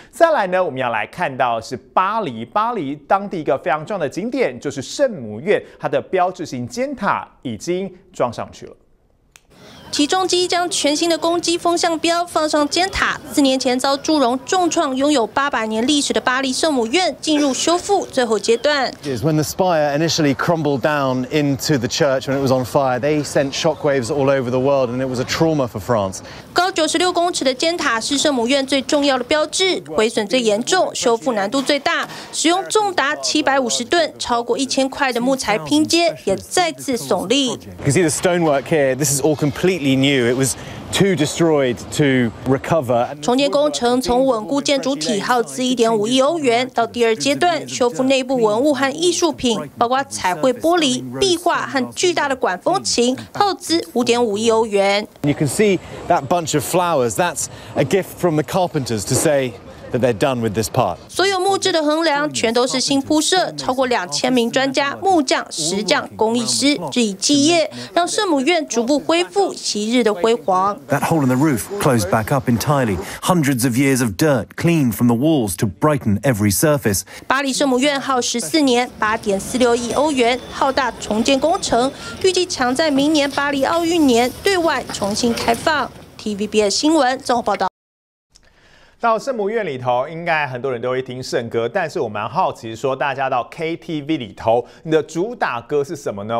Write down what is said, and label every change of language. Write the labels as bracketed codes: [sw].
[zh] 再来呢，我们要来看到是巴黎，巴黎当地一个非常重要的景点就是圣母院，它的标志性尖塔已经装上去了。起重机将全新的公鸡风向标放上尖塔。四年前遭祝融重创，拥有800年历史的巴黎圣母院进入修复最后阶段。 [en] It is when the spire initially crumbled down into the church when it was on fire. They sent shockwaves all over the world, and it was a trauma for France. [zh] 高96公尺的尖塔是圣母院最重要的标志，毁损最严重，修复难度最大，使用重达750吨、超过1000块的木材拼接，也再次耸立。 [en] You can see the stonework here. This is all complete. New. It was too destroyed to recover. [zh] 重建工程从稳固建筑体耗资1.5亿欧元，到第二阶段修复内部文物和艺术品，包括彩绘玻璃、壁画和巨大的管风琴，耗资5.5亿欧元。 [en] You can see that bunch of flowers. That's a gift from the carpenters to say. That they're done with this part. [zh] 所有木质的横梁全都是新铺设，超过2000名专家、木匠、石匠、工艺师日以继夜，让圣母院逐步恢复昔日的辉煌。 [en] That hole in the roof closed back up entirely. Hundreds of years of dirt cleaned from the walls to brighten every surface. [zh] 巴黎圣母院耗14年，8.46亿欧元浩大重建工程，预计抢在明年巴黎奥运年对外重新开放。 TVBS 新闻综合报道。到圣母院里头，应该很多人都会听圣歌，但是我蛮好奇说，大家到 KTV 里头，你的主打歌是什么呢？